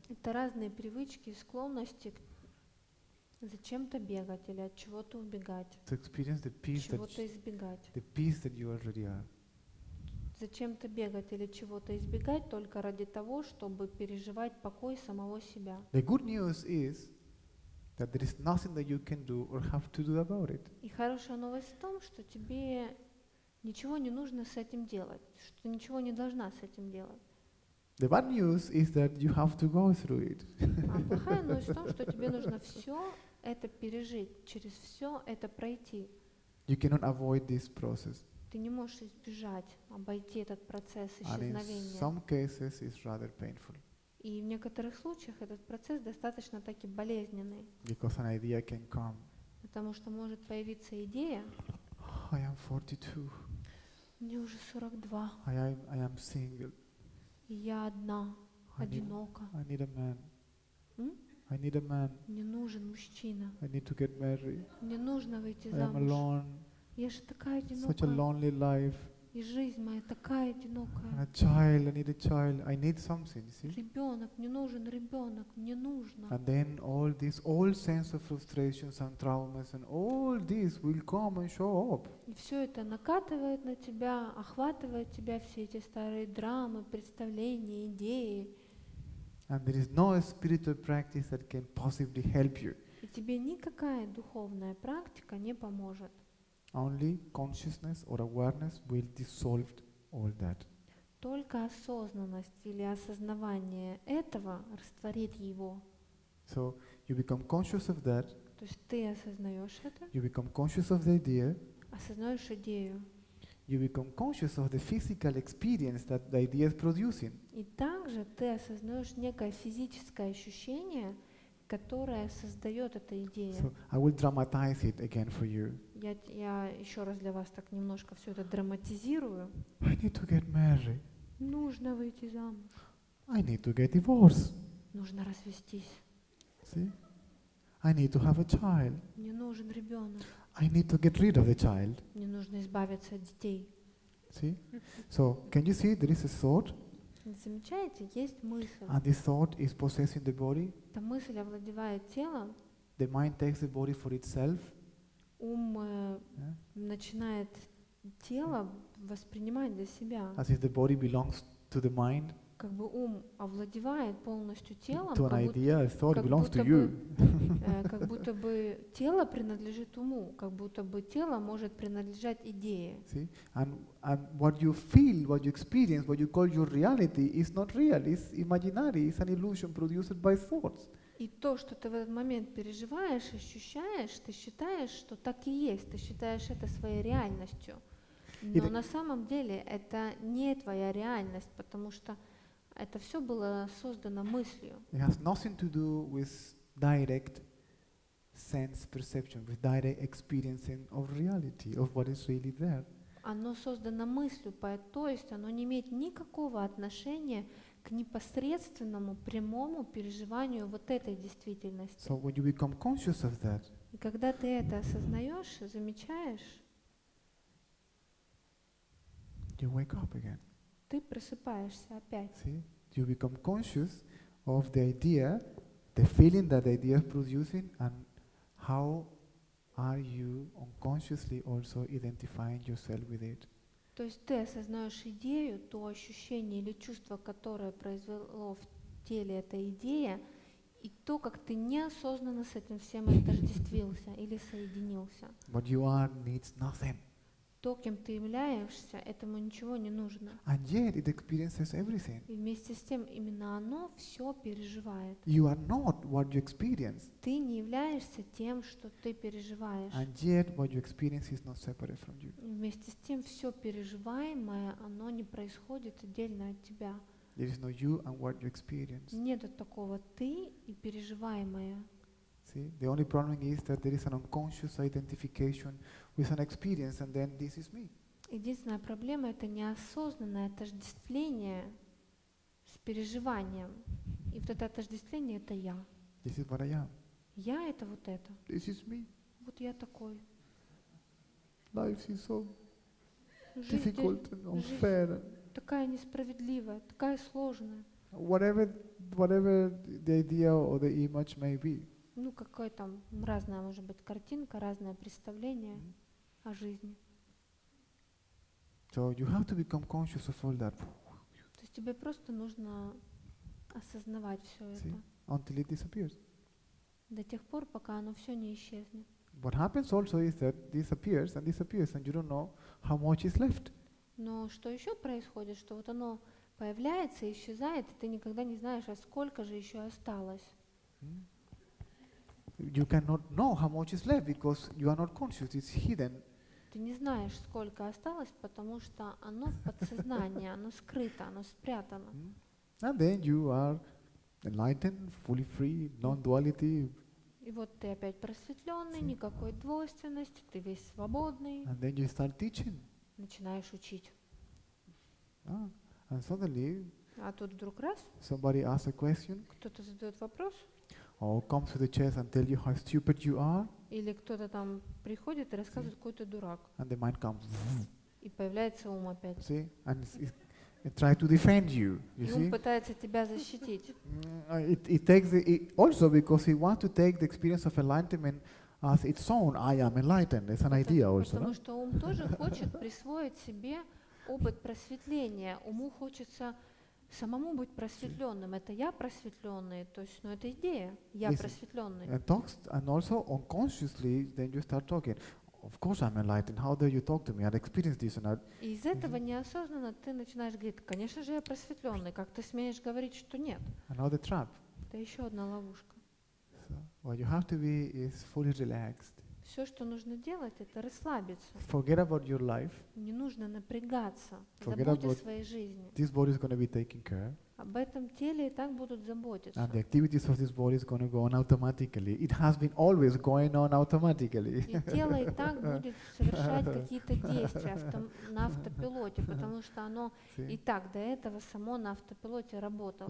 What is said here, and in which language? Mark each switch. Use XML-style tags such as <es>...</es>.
<ru>Это разные привычки и склонности зачем-то бегать или от чего-то убегать.</ru> <en>To experience the peace</en> <ru>чего-то избегать.</ru> <en>The peace that you already are.</en> <ru>Зачем-то бегать или чего-то избегать только ради того, чтобы переживать покой самого себя.</ru> <en>The good news is that there is nothing that you can do or have to do about it.</en> <ru>И хорошая новость в том, что тебе ничего не нужно с этим делать, что ничего не должна с этим делать.</ru> <en>The bad news is that you have to go through it.</en> <ru>А плохая новость в том, что тебе нужно все это пережить, через все это пройти.</ru> <en>You cannot avoid this process.</en> <ru>Ты не можешь избежать, обойти этот процесс исчезновения.</ru> <en>And in some cases it's rather painful.</en> <ru>И в некоторых случаях этот процесс достаточно таки болезненный.</ru> <en>Because an idea can come.</en> <ru>Потому что может появиться идея.</ru> <en>I am 42.</en> <ru>Мне уже 42.</ru> <en>I am single.</en> <ru>Я одна, одинока.</ru> <en>I need a man. I need a man.</en> <ru>Мне нужен мужчина.</ru> <en>I need to get married.</en> <ru>Мне нужно выйти замуж.</ru> <en>I am alone.</en> <ru>Я же такая одинокая.</ru> <en>Such a lonely life.</en> <ru>И жизнь моя такая одинокая.</ru> <en>And a child, I need a child. I need something, you see?</en> <ru>Ребенок, мне нужен ребенок, мне нужно.</ru> <en>And then all this, all sense of frustrations and traumas and all this will come and show up.</en> <ru>И все это накатывает на тебя, охватывает тебя, все эти старые драмы, представления, идеи.</ru> <en>And there is no spiritual practice that can possibly help you.</en> <ru>И тебе никакая духовная практика не поможет.</ru> <en>Only consciousness or awareness will dissolve all that.</en> <ru>Только осознанность или осознавание этого растворит его.</ru> <en>So you become conscious of that.</en> <ru>То есть ты осознаешь это.</ru> <en>You become conscious of the idea.</en> <ru>Осознаешь идею.</ru> <en>You become conscious of the physical experience that the idea is producing.</en> <ru>И также ты осознаешь некое физическое ощущение, которая создает эта идея.</ru> <en>So I will dramatize it again for you.</en> <ru>Я еще раз для вас так немножко все это драматизирую.</ru> <en>I need to get married.</en> <ru>Нужно выйти замуж.</ru> <en>I need to get divorced.</en> <ru>Нужно развестись.</ru> <en>See? I need to have a child.</en> <ru>Мне нужен ребенок.</ru> <en>I need to get rid of the child.</en> <ru>Мне нужно избавиться от детей.</ru> <en>See? So can you see there is a thought?</en> <ru>Замечаете, есть мысль.</ru> <en>And this thought is possessing the body.</en> <ru>Та мысль овладевает телом.</ru> <en>The mind takes the body for itself.</en> <ru>ум начинает тело воспринимать для себя.</ru> <en>As if the body belongs to the mind.</en> <ru>Как бы ум овладевает полностью телом.</ru> <en>To an idea, a thought belongs to you.</en> <ru>Как будто бы тело принадлежит уму, как будто бы тело может принадлежать идее.</ru> <en>See, and what you feel, what you experience, what you call your reality is not real. It's imaginary. It's an illusion produced by thoughts.</en> <ru>И то, что ты в этот момент переживаешь, ощущаешь, ты считаешь, что так и есть, ты считаешь это своей реальностью. Но на самом деле это не твоя реальность, потому что это все было создано мыслью.</ru> <en>It has nothing to do with direct sense perception, with direct experiencing of reality, of what is really there.</en> <ru>Оно создано мыслью, то есть оно не имеет никакого отношения к непосредственному, прямому переживанию вот этой действительности.</ru> <en>So when you become conscious of that,</en> <ru>и когда ты это осознаешь, замечаешь,</ru> <en>you wake up again.</en> <ru>Ты просыпаешься опять.</ru> <en>See? You become conscious of the idea, the feeling that the idea is producing, and how are you unconsciously also identifying yourself with it.</en> <ru>То есть ты осознаешь идею, то ощущение или чувство, которое произвело в теле эта идея, и то, как ты неосознанно с этим всем отождествился или соединился.</ru> <en>What you are needs nothing.</en> <ru>То, кем ты являешься, этому ничего не нужно.</ru> <en>And yet it experiences everything.</en> <ru>И вместе с тем именно оно все переживает.</ru> <en>You are not what you experience.</en> <ru>Ты не являешься тем, что ты переживаешь.</ru> <en>And yet what you experience is not separate from you.</en> <ru>И вместе с тем все переживаемое, оно не происходит отдельно от тебя.</ru> <en>There is no you and what you experience.</en> <ru>Нет такого ты и переживаемое.</ru> <en>See, the only problem is that there is an unconscious identification with an experience, and then this is me.</en> <ru>Единственная проблема — это неосознанное отождествление с переживанием. И вот это отождествление — это я.</ru> <en>This is what I am.</en> <ru>Я — это вот это.</ru> <en>This is me.</en> <ru>Вот я такой.</ru> <en>Life is so difficult and unfair.</en> <ru>Жизнь такая несправедливая, такая сложная.</ru> <en>Whatever the idea or the image may be.</en> <ru>Ну, какая там разная может быть картинка, разное представление о жизни.</ru> <en>So you have to become conscious of all that.</en> <ru>То есть тебе просто нужно осознавать все</ru> <en>See?</en> <ru>Это.</ru> <en>Until it disappears.</en> <ru>До тех пор, пока оно все не исчезнет.</ru> <en>What happens also is that disappears and disappears, and you don't know how much is left.</en> <ru>Но что еще происходит, что вот оно появляется, исчезает, и ты никогда не знаешь, а сколько же еще осталось.</ru> <en>You cannot know how much is left because you are not conscious. It's hidden.</en> <ru>Ты не знаешь, сколько осталось, потому что оно в подсознании, оно скрыто, оно спрятано.</ru> <en>And then you are enlightened, fully free, non-duality.</en> <ru>И вот ты опять просветленный, никакой двойственности, ты весь свободный.</ru> <en>And then you start teaching.</en> <ru>Начинаешь учить.</ru> <en>And suddenly.</en> <ru>А тут вдруг раз.</ru> <en>Somebody asks a question.</en> <ru>Кто-то задает вопрос.</ru> <en>Or come to the chest and tell you how stupid you are.</en> <ru>Или кто-то там приходит и рассказывает, какой ты дурак.</ru> <en>And the mind comes.</en> <ru>И появляется ум опять.</ru> <en>See? And it tries to defend you. You</en> <ru>и</ru> <en>see?</en> <ru>Ум пытается тебя защитить.</ru> <en>It takes it also because it wants to take the experience of enlightenment as its own. I am enlightened. It's an idea also.</en> <ru>Потому что ум тоже хочет присвоить себе опыт просветления. Уму хочется самому быть просветленным, это я просветленный, то есть, ну, это идея, я</ru> <en>Listen,</en> <ru>просветленный.</ru> <en>And talks, and also unconsciously, then you start talking. Of course, I'm enlightened. How dare you talk to me? I've experienced this and that.</en> <ru>И из этого неосознанно ты начинаешь говорить: конечно же, я просветленный. Как ты смеешь говорить, что нет?</ru> <en>Another trap.</en> <ru>Это еще одна ловушка.</ru> <en>So what you have to be is fully relaxed.</en> <ru>Все, что нужно делать, это расслабиться.</ru> <en>Forget about your life.</en> <ru>Не нужно напрягаться. Forget забудь о своей жизни.</ru> <en>This body is going to be taken care.</en> <ru>Об этом теле и так будут заботиться.</ru> <en>And the activities of this body is going to go on automatically. It has been always going on automatically.</en> <ru>И тело и так будет совершать какие-то действия на автопилоте, потому что оно и так до этого само на автопилоте работало.</ru>